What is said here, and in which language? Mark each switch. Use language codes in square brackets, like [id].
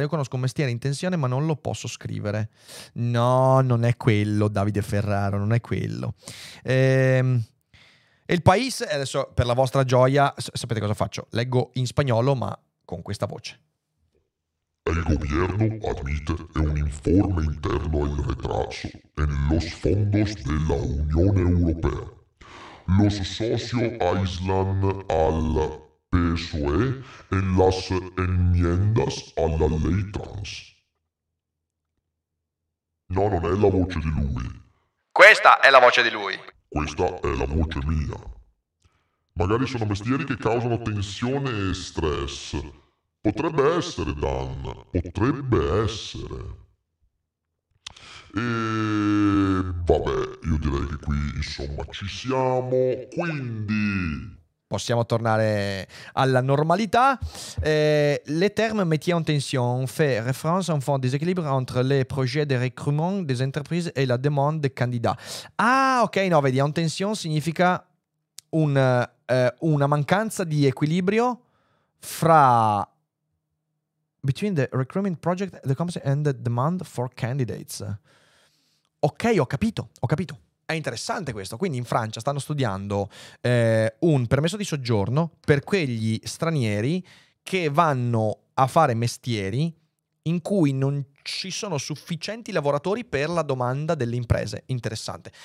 [it] Io conosco un mestiere in tensione, ma non lo posso scrivere. No, non è quello, Davide Ferraro, non è quello. E il paese, adesso per la vostra gioia, sapete cosa faccio? Leggo in spagnolo, ma con questa voce. [es] El gobierno admite en un informe interno el retraso en los fondos de la Unión Europea. Los socios aíslan al PSOE en las enmiendas a la ley trans. No, no es la voz de lui. Esta es la voz de lui. Esta es la voz mía. [it] Magari sono mestieri che causano tensione e stress. Potrebbe essere, Dan, potrebbe essere. E vabbè, io direi che qui, insomma, ci siamo, quindi... Possiamo tornare alla normalità. [fr] Le termes métiers en tension fait référence a un fond déséquilibre entre les projets de recrutement des entreprises et la demande de candidats. [it] Ah, ok, no, vedi, en tension significa una mancanza di equilibrio fra... [en] between the recruitment project, the company, and the demand for candidates. [it] Ok, ho capito, ho capito. È interessante questo. Quindi in Francia stanno studiando un permesso di soggiorno per quegli stranieri che vanno a fare mestieri in cui non ci sono sufficienti lavoratori per la domanda delle imprese. Interessante.